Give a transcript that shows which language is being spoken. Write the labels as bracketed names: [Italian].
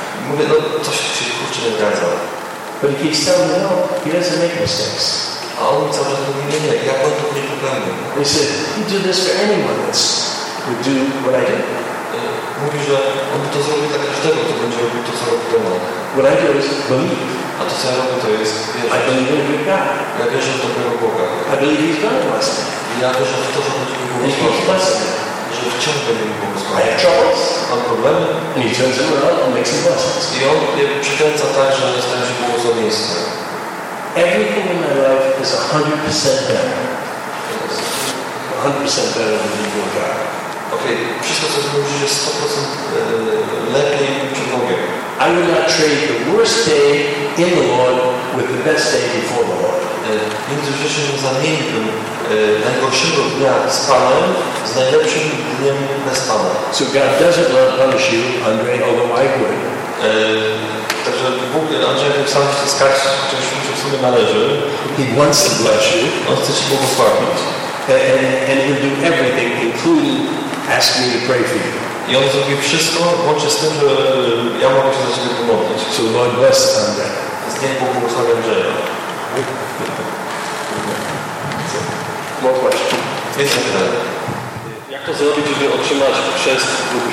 [Polish] Mówię, no coś się kurczę nie zgadza. [English] But he keeps telling me, no, he doesn't make mistakes. [Polish] A on cały czas mówi, nie, nie, ja mam tutaj problemy. [English] He said, you do this for anyone that would do what I do. [Polish] Mówi, że on by to zrobił dla każdego, kto będzie robił to, co robi do mnie. [English] What I do is believe. [Polish] A to, co ja robię, to jest wierzyć. [English] I believe in a good God. [Polish] Ja wierzę w dobrego Boga. [English] I believe he's God bless me. [Polish] Ja wierzę w to, że będzie mi błogosławiony. Że wciąż będzie mi błogosławiony. [English] I have troubles. [Polish] Mam problemy. [English] And he turns it around and makes me blessings. [Polish] I on je przykręca tak, że zostaje się błogosławieństwem. [English] Everything in my life is 100% better. 100% better than the evil God. [Polish] Okay, wszystko co zrobisz jest 100% lepiej niż Bogiem. [English] I would not trade the worst day in the Lord with the best day before the Lord. [Polish] Między rzeczy nie zamieniłbym najgorszego dnia z Panem z najlepszym dniem bez Pana. [English] So God doesn't want to punish you, Andre, although I would. [Polish] Także Bóg, Andrzej, sam się skarżył, chociaż mu się w sumie należy. [English] He wants to bless you. [Polish] On chce ci błogosławić. [English] And he'll do everything, including ask me to pray for you. [Polish] I on zrobi wszystko, łącznie z tym, że ja mogę się za ciebie pomodlić. [English] So the Lord bless Andrzej. [Polish] Więc niech Bóg błogosławi Andrzeja. [English] More questions? [Polish] Jest jedno pytanie. Jak to zrobić, żeby otrzymać chrzest w Duchu